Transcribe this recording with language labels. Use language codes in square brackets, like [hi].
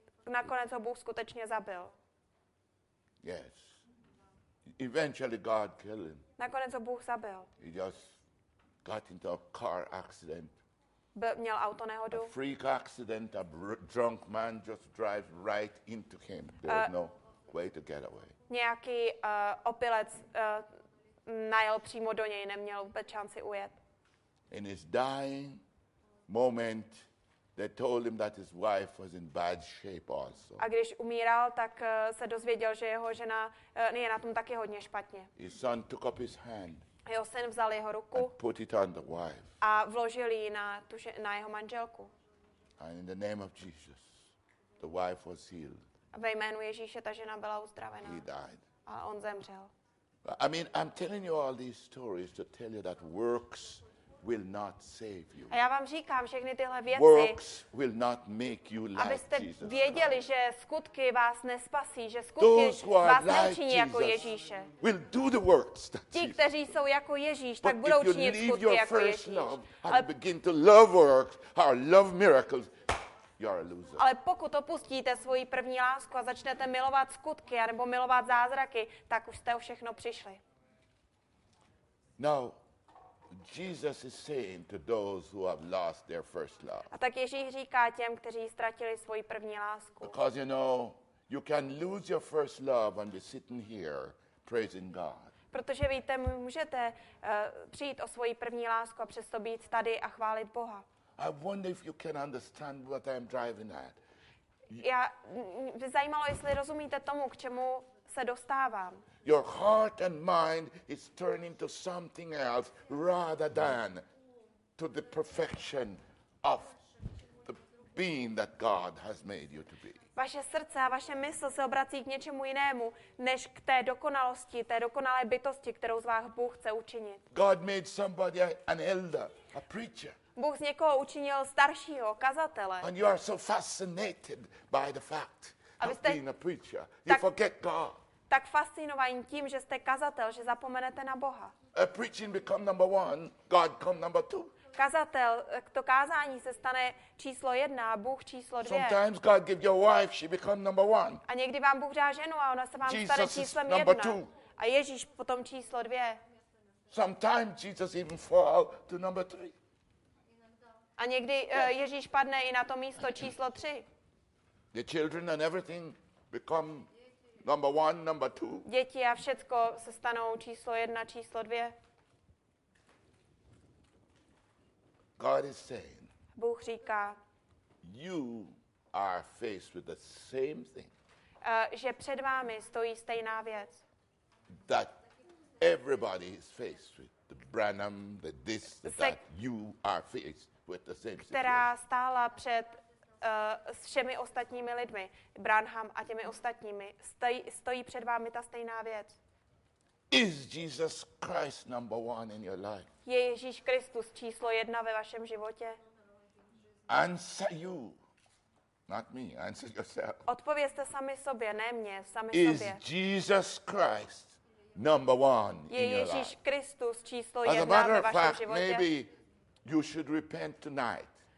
[cs] Nakonec ho Bůh skutečně zabil. [en] Yes. Eventually God killed him. [cs] Nakonec ho Bůh zabil. [en] He just got into a car accident. [cs] Měl autonehodu. [en] A freak accident, a drunk man just drives right into him. There was no way to get away. [cs] Nějaký opilec najel přímo do něj, neměl vůbec šanci ujet. [en] In his dying moment, they told him that his wife was in bad shape also. [cs] A když umíral, tak se dozvěděl, že jeho žena je na tom taky hodně špatně. [en] His son took up his hand. [cs] Jeho syn vzal jeho ruku. [en] And put it on the wife. [cs] A vložil ji na jeho manželku. [en] And in the name of Jesus, the wife was healed. [cs] A ve jménu Ježíše ta žena byla uzdravena. [en] He died. [cs] A on zemřel. [en] I mean, I'm telling you all these stories to tell you that works will not save you. [cs] A já vám říkám všechny tyhle věci. [en] Works will not make you like Jesus. [cs] Abyste věděli, že skutky vás nespasí, že skutky vás neučiní jako Ježíše. [en] Will do the works that Jesus. [cs] Ti, kteří jsou jako Ježíš, tak budou činit skutky jako Ježíš. [en] But if you leave your first love and begin to love works or love miracles, you are a loser. [cs] Ale pokud opustíte svoji první lásku a začnete milovat skutky anebo milovat zázraky, tak už jste o všechno přišli. [en] Now, Jesus is saying to those who have lost their first love. [cs] A tak Ježíš říká těm, kteří ztratili svoji první lásku. [en] Because you know, you can lose your first love and be sitting here praising God. [cs] Protože víte, můžete přijít o svoji první lásku a přesto být tady a chválit Boha. [en] I wonder if you can understand what I'm driving at. [cs] Já by zajímalo, jestli rozumíte tomu, k čemu se dostávám. [en] Your heart and mind is turning to something else rather than to the perfection of the being that God has made you to be. [cs] Vaše srdce a vaše mysl se obrací k něčemu jinému, než k té dokonalosti, té dokonalé bytosti, kterou z vás Bůh chce učinit. [en] God made somebody an elder, a preacher. [cs] Bůh z někoho učinil staršího, kazatele. [en] And you are so fascinated by the fact of being a preacher. You forget God. [cs] Tak fascinovaní tím, že jste kazatel, že zapomenete na Boha. [en] A preaching become number one, God come number two. [cs] Kazatel, to kázání se stane číslo jedna, Bůh číslo dvě. [en] Sometimes God give your wife, she become number one. [cs] A někdy vám Bůh dá ženu a ona se vám [en] Jesus [cs] stane číslem jedna. A Ježíš potom číslo dvě. [en] Sometimes Jesus even fall to number three. [cs] A někdy Ježíš padne i na to místo číslo tři. [en] The children and everything become number one, number two. [cs] Děti a všecko se stanou číslo jedna, číslo dvě. [en] God is saying, [cs] Bůh říká, [en] you are faced with the same thing. [cs] Že před vámi stojí stejná věc. [en] That everybody is faced with. The Branham, the this, the that. You are faced with the same situation. [cs] Která stála před s všemi ostatními lidmi, Branham a těmi ostatními, stojí před vámi ta stejná věc. [en] Is Jesus Christ number one in your life? [cs] Je Ježíš Kristus číslo jedna ve vašem životě? [en] Answer you, not me, answer yourself. [cs] Odpovězte sami sobě, ne mě, sami [en] Is [cs] sobě. [en] Is Jesus Christ number one [cs] Je [en] in your [cs] Ježíš [en] life? [cs] Je Ježíš Kristus číslo jedna ve vašem [en] fact, [cs] životě? [en] Maybe you should repent tonight.